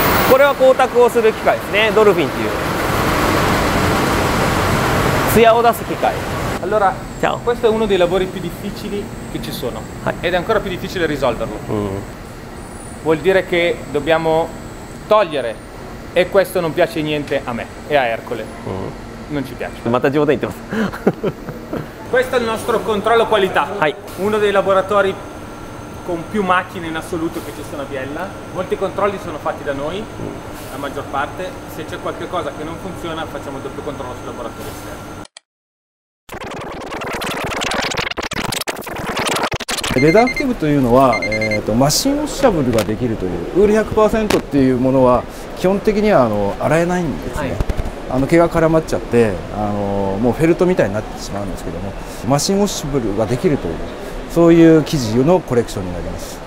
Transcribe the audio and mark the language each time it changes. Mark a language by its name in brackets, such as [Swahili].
[Japanese] これは光沢をする機械ですね、ドルフィンっていう艶を出す機械。 [Italian] Allora, ciao. Questo è uno dei lavori più difficili che ci sono. Ed è ancora più difficile risolverlo. Vuol dire che dobbiamo togliere. E questo non piace niente a me e a Ercole. Non ci piace. [Japanese] また冗談言ってます。 [Italian] Questo è il nostro controllo qualità. Uno dei laboratori con più macchine in assoluto che ci sono a Biella. Molti controlli sono fatti da noi, la maggior parte. Se c'è qualche cosa che non funziona, facciamo doppio controllo sul laboratorio esterno. [Japanese] レダーアクティブというのは、マシンウォッシャブルができるという、ウール 100% っていうものは基本的には洗えないんですね。毛が絡まっちゃって、もうフェルトみたいになってしまうんですけども、マシンウォッシャブルができるという、そういう生地のコレクションになります。